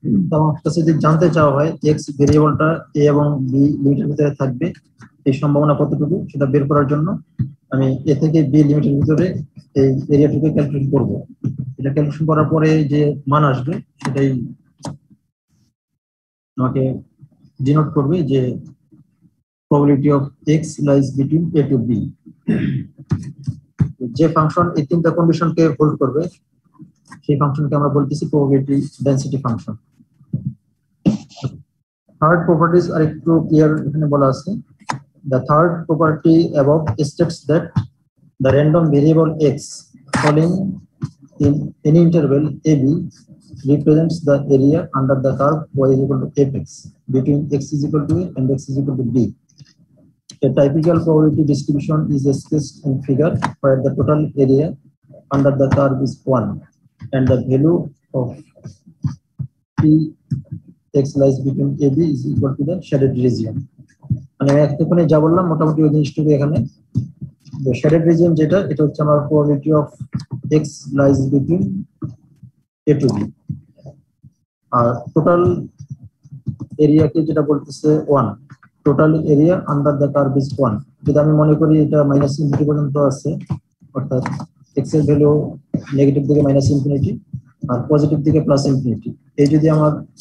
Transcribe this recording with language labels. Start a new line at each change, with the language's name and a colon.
Bangla: তখন কাছে যদি জানতে চাওয়া হয় এক্স ভেরিয়েবলটা এ এবং বি লিমিটের ভিতরে থাকবে এই সম্ভাবনা কতটুকু সেটা বের করার জন্য আমি এ থেকে বি লিমিটের ভিতরে এই এরিয়াটুকু ক্যালকুলেট করব, এটা ক্যালকুলেশন করার পরে যে মান আসবে সেটাই আমাকে ডিনোট করবে যে
English: Probability of x lies between a to b.
Bangla: যে ফাংশন এই তিনটা কন্ডিশনকে হোল্ড করবে সেই ফাংশনকে আমরা বলতেছি probability density function.
English: third properties are to clear
Bangla: এখানে বলা আছে
English: the third property above states that the random variable x falling in any interval ab represents the area under the curve y is equal to fx between x is equal to a and x is equal to b. A typical probability distribution is expressed in figure where the total area under the curve is 1 and the value of p x lies between ab is equal to the shaded region.
Bangla: মানে আমি এতক্ষণে যা বললাম মোটামুটি ওই জিনিসটুকু এখানে তো shaded region যেটা এটা হচ্ছে আমার
English: probability of x lies between a to b
Bangla: আর
English: total area কে যেটা বলতেছে 1 total area under the curve is 1
Bangla: যদি আমি মনে করি এটা মাইনাস ইনফিনিটি পর্যন্ত আছে অর্থাৎ এক্স এর ভ্যালু নেগেটিভ দিকে মাইনাস ইনফিনিটি আর পজিটিভ দিকে প্লাস ইনফিনিটি এই যদি আমার